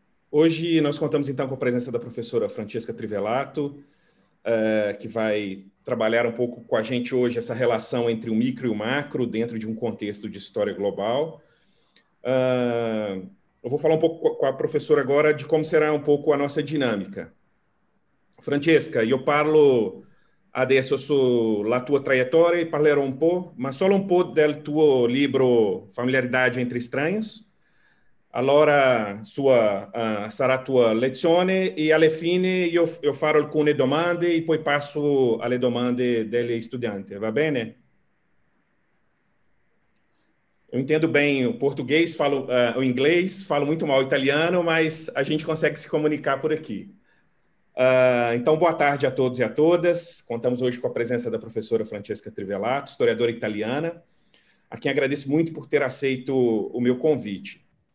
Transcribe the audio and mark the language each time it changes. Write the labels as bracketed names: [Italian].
[Portuguese] Hoje nós contamos então com a presença da professora Francesca Trivellato, que vai trabalhar um pouco com a gente hoje essa relação entre o micro e o macro dentro de um contexto de história global. Eu vou falar um pouco com a professora agora de como será um pouco a nossa dinâmica. [Italian] Francesca, [Portuguese] eu [Italian] parlo adesso sulla tua traiettoria e parlerò un po', ma solo un po' del tuo libro Familiaridade entre Estranhos. Allora sarà tua lezione e alla fine io farò alcune domande e poi passo alle domande degli studenti, va bene? [Portuguese] Eu entendo bem o português, falo o inglês, falo muito mal o italiano, mas a gente consegue se comunicar por aqui. Então, boa tarde a todos e a todas. Contamos hoje com a presença da professora Francesca Trivellato, historiadora italiana, a quem agradeço muito por ter aceito o meu convite.